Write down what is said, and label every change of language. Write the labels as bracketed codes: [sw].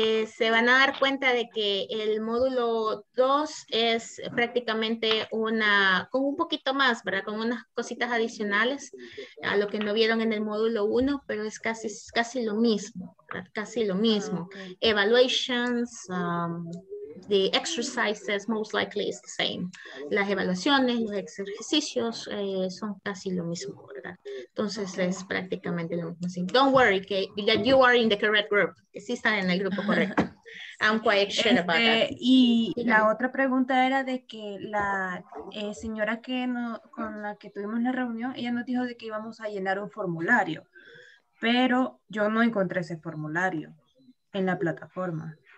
[es] Se van a dar cuenta de que el módulo 2 es prácticamente una, con un poquito más, ¿verdad? Con unas cositas adicionales a lo que no vieron en el módulo 1, pero es casi, casi lo mismo, ¿verdad? Casi lo mismo. [en] Evaluations, the exercises most likely is the same. [es] Las evaluaciones, los ejercicios son casi lo mismo, ¿verdad? Entonces es prácticamente lo mismo. [en] Don't worry que, that you are in the correct group. [es] Que sí están en el grupo correcto. [en] I'm quite sure about that. [es] Y la otra pregunta era de que la señora que no, con la que tuvimos la reunión, ella nos dijo de que íbamos a llenar un formulario, pero yo no encontré ese formulario en la plataforma.